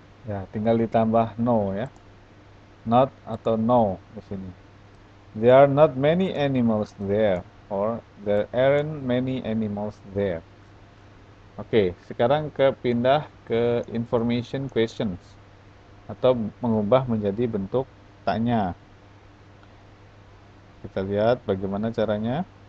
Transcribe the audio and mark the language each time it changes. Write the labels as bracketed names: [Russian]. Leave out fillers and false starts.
[Indonesian] Ya, tinggal ditambah no ya. Not atau no di sini. [English] There are not many animals there, or there aren't many animals there. [Indonesian] Okay, sekarang kepindah ke information questions atau mengubah menjadi bentuk tanya. Kita lihat bagaimana caranya.